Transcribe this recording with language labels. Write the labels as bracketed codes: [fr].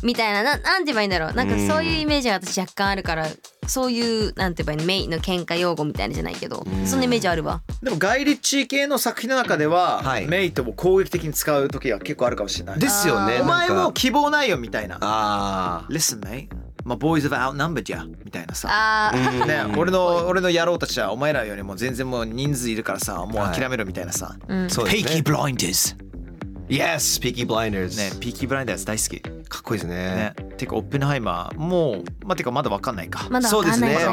[ja] みたいな、なんて言えばいいんだろう。なんかそういうイメージが私若干あるから、そういうなんて言えばいい、メインの喧嘩用語みたいなじゃないけど、そのイメージあるわ。でもガイリッチー系の作品の中では、はい、メイとも攻撃的に使う時は結構あるかもしれない。ですよね。お前も希望ないよみたいな。あ、 [en] Listen, mate. My boys have outnumbered ya みたいなさ、 [ja] あ、ね、俺の野郎たちはお前らよりも全然もう人数いるからさ、もう諦めろみたいなさ、はい、 Peaky Blinders Yes, Peaky Blinders、ね、Peaky Blinders 大好き、かっこいいです ねてかオッペンハイマーもう、まあ、てかまだ分かんないか、まだ分かんない、そうですね、